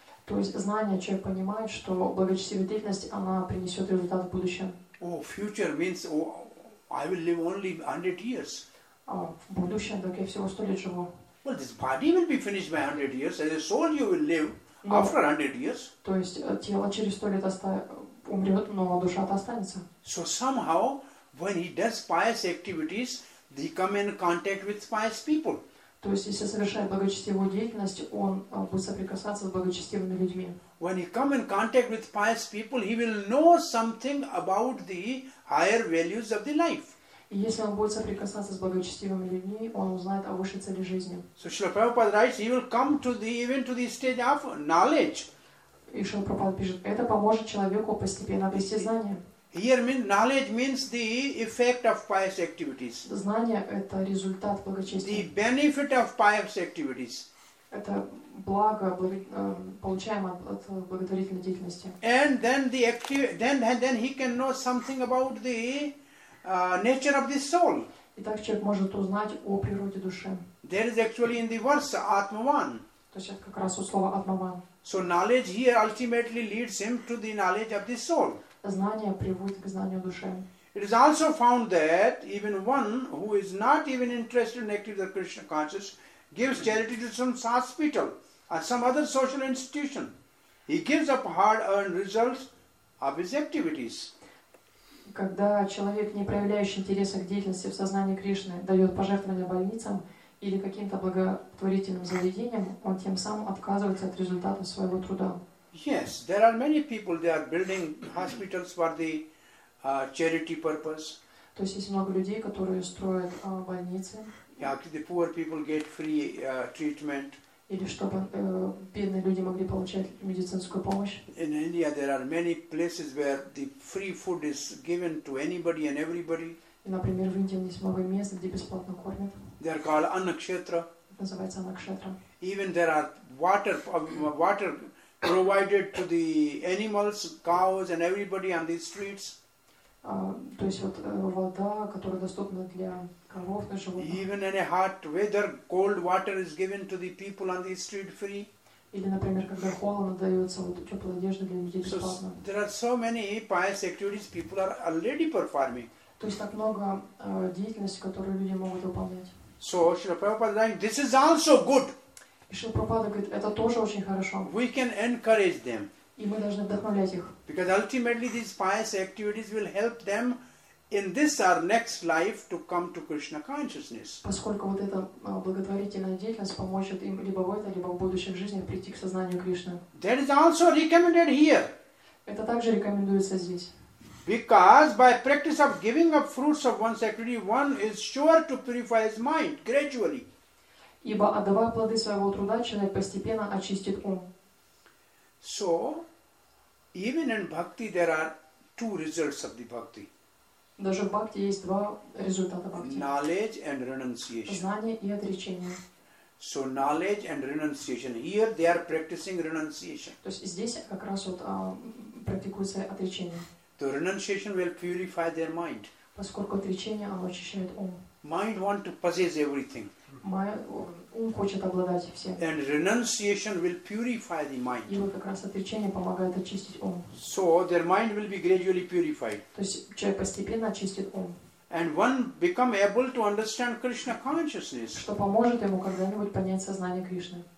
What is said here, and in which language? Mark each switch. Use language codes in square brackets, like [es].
[ru] То есть знание человек понимает, что благочестивая деятельность она принесет результат в будущем. [en] Oh, future means oh, I will live only 100 years. [ru] А в будущем так я всего 100 лет живу. [en] Well, this body will be finished by 100 years, and the soul you will live no. after 100 years. [ru] То есть тело через 100 лет умрет, но душа останется. [en] So somehow, when he does pious activities, he come in contact with pious people. [ru] То есть если совершает благочестивую деятельность, он будет соприкасаться с благочестивыми людьми. [en] When he come in contact with pious people, he will know something about the higher values of the life. [ru] И если он будет соприкасаться с благочестивыми людьми, он узнает о высшей цели жизни. [en] So Шрила Прабхупада writes, he will come to the even to the stage of knowledge. [ru] И Шрила Прабхупада пишет, это поможет человеку постепенно обрести знание. [en] Here means knowledge means the effect of pious activities. [ru] Знание это результат благочестия. [en] The benefit of pious activities. [ru] Это благо получаемое от благотворительной деятельности. [en] And then the then he can know something about the nature of the soul. [ru] И так человек может узнать о природе души. [en] There is actually in the verse Atmavan. [ru] То есть как раз у слова Атмаван. [en] So knowledge here ultimately leads him to the knowledge of the soul. [ru] Знание приводит к знанию души. [en] It is also found that even one who is not even interested in activities of Krishna consciousness gives charity to some hospital or some other social institution. He gives up hard earned results of his activities. [ru] Когда человек, не проявляющий интереса к деятельности в сознании Кришны, дает пожертвования больницам или каким-то благотворительным заведениям, он тем самым отказывается от результатов своего труда. [en] Yes, there are many people, they are building hospitals for the charity purpose. [ru] То есть есть много людей, которые строят больницы. [en] Yeah, the poor people get free treatment. [ru] Или чтобы бедные люди могли получать медицинскую помощь. [en] In India there are many places where the free food is given to anybody and everybody. [ru] И, например, в Индии есть много мест, где бесплатно кормят. [en] They are called Annakshetra. [ru] Называется Annakshetra. [en] Even there are water provided to the animals, cows and everybody on these streets. [ru] То есть вот вода, которая доступна для коров, для животных. [en] Even in a hot weather, cold water is given to the people on the street free. [ru] Или, например, когда холодно, дается вот теплая одежда для людей бесплатно. [en] So, there are so many pious activities people are already performing. [ru] То есть так много деятельности, которую люди могут выполнять. [en] So, Шрила Прабхупада [ru] говорит, [en] this is also good. [ru] И Шрила Прабхупада говорит, это тоже очень хорошо. [en] We can encourage them. [ru] И мы должны вдохновлять их. [en] Because ultimately these pious activities will help them in this or next life to come to Krishna consciousness. [ru] Поскольку вот эта благотворительная деятельность поможет им либо в этой, либо в будущих жизнях прийти к сознанию Кришны. [en] That is also recommended here. [ru] Это также рекомендуется здесь. [en] Because by practice of giving up fruits of one's activity, one is sure to purify his mind gradually. [ru] Ибо отдавая плоды своего труда, человек постепенно очистит ум. [en] So, even in bhakti, there are two results of the bhakti. [ru] Даже в бхакти есть два результата бхакти. [en] Knowledge and renunciation. [ru] Знание и отречение. [en] So, knowledge and renunciation. Here, they are practicing renunciation. [ru] То есть здесь как раз вот практикуется отречение. [en] So, renunciation will purify their mind. [ru] Поскольку отречение, оно очищает ум. [en] Mind want to possess everything. [ru] Ум хочет обладать всем. [en] And renunciation will purify the mind. [ru] И вот как раз отречение помогает очистить ум. [en] So their mind will be gradually purified. [ru] То есть человек постепенно очистит ум. [en] And one become able to understand Krishna consciousness. [ru] Что поможет ему когда-нибудь понять сознание Кришны.